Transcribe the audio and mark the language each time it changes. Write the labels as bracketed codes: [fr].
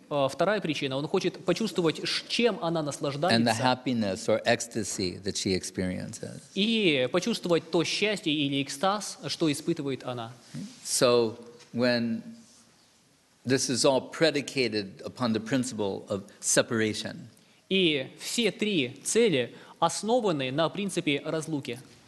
[ru] Вторая причина – он хочет почувствовать, чем она наслаждается. [en] And the happiness or ecstasy that she experiences. [ru] И почувствовать то счастье или экстаз, что испытывает она. [en] So, when this is all predicated upon the principle of separation. [ru] И все три цели основаны на принципе разлуки.